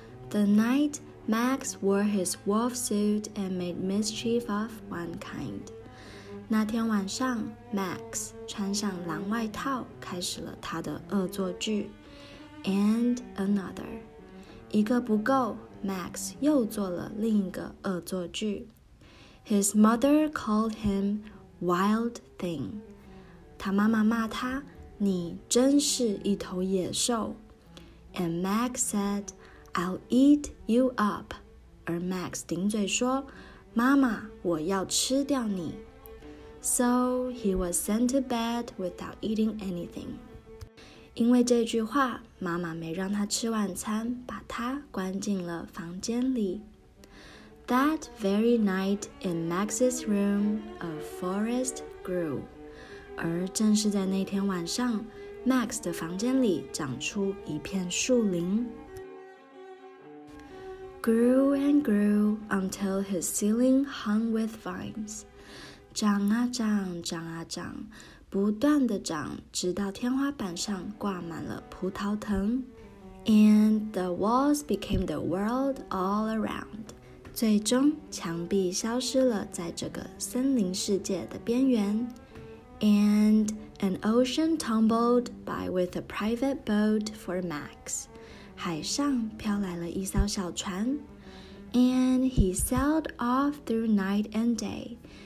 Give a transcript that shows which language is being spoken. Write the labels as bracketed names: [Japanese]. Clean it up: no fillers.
[English] The night Max wore his wolf suit and made mischief of one kind. [Chinese] 那天晚上 ,Max 穿上狼外套开始了他的恶作剧。 [English] And another. [Chinese] 一个不够 ,Max 又做了另一个恶作剧。 [English] His mother called him Wild Thing. [Chinese] 他妈妈骂他，你真是一头野兽。 [English] And Max said, I'll eat you up. [Chinese] 而 Max 顶嘴说，妈妈，我要吃掉你。 [English] So he was sent to bed without eating anything. [Chinese] 因为这句话，妈妈没让他吃晚餐，把他关进了房间里。 [English] That very night in Max's room, a forest grew. [Chinese] 而正是在那天晚上 ,Max 的房间里长出一片树林。 [English] Grew and grew until his ceiling hung with vines. [Chinese] 长啊长，长啊长，不断地长，直到天花板上挂满了葡萄藤。 [English] And the walls became the world all around. [Chinese] 最终墙壁消失了在这个森林世界的边缘。 [English] And an ocean tumbled by with a private boat for Max. [Chinese] 海上飘来了一艘小船。 [English] And he sailed off through night and day.